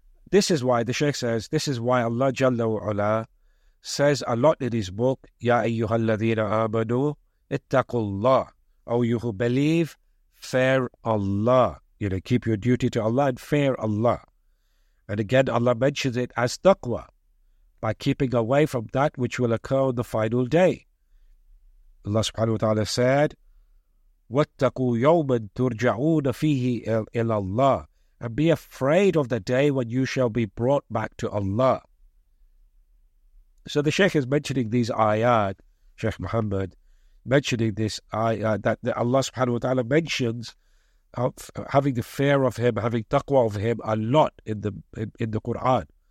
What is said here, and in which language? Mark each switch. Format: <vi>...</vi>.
<en>This is why, the Shaykh says, this is why Allah Jalla wa Ala says a lot in his book,</en> <ar>Ya ayyuhal ladhina amanu, ittaqullah.</ar> <en>O you who believe, fear Allah. You know, keep your duty to Allah and fear Allah. And again, Allah mentions it as taqwa, by keeping away from that which will occur on the final day.</en> <ar>Allah subhanahu wa ta'ala</ar> <en>said,</en> <ar>وَاتَّقُوا يَوْمًا تُرْجَعُونَ فِيهِ إِلَى اللَّهِ.</ar> <en>And be afraid of the day when you shall be brought back to Allah. So the Shaykh is mentioning these ayat, Shaykh Muhammad, mentioning this ayat that Allah subhanahu wa ta'ala mentions of having the fear of him, having taqwa of him a lot in the Quran.</en>